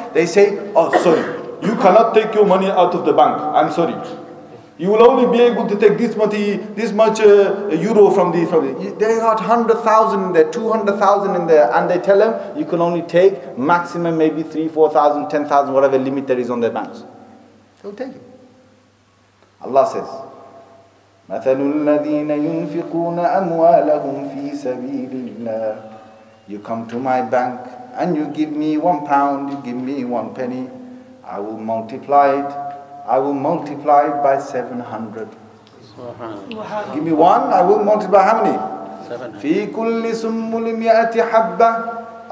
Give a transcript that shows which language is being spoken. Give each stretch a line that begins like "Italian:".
English: They say, sorry, you cannot take your money out of the bank. I'm sorry. You will only be able to take this much euro from the. They got 100,000 in there, 200,000 in there, and they tell them you can only take maximum maybe 3,000, 4,000, 10,000, whatever limit there is on their banks. They'll take it. Allah says,
Arabic: مَثَلُ الَّذِينَ يُنفِقُونَ أَمْوَالَهُمْ فِي سَبِيلِ اللَّهِ.
English: You come to my bank and you give me £1, you give me one penny, I will multiply it. I will multiply it by 700. Give me one, I will multiply how many?
Arabic: 700. في كل سنبل مئة حبة.